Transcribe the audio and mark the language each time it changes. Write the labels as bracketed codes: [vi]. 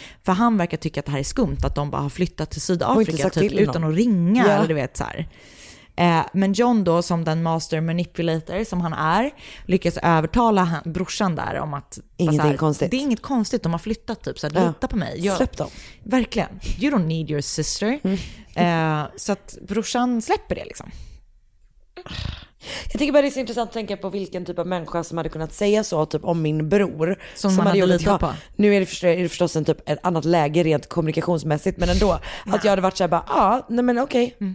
[sv] För han verkar tycka att det här är skumt att de bara har flyttat till Sydafrika typ, till utan att ringa. Yeah. Eller du vet, så här. Men John då, som den [en] master manipulator [sv] som han är, lyckas övertala brorsan där om att ingenting här, konstigt. Det är inget konstigt, de har flyttat typ, så här, lita på mig. Släpp dem. Verkligen, [en] you don't need your sister. [sv] Så att brorsan släpper det liksom. Jag tycker bara det är så intressant att tänka på vilken typ av människa som hade kunnat säga så typ om min bror. Som hade litat på. Nu är det förstås en typ ett annat läge rent kommunikationsmässigt, men ändå. Att jag hade varit såhär, nej men okej.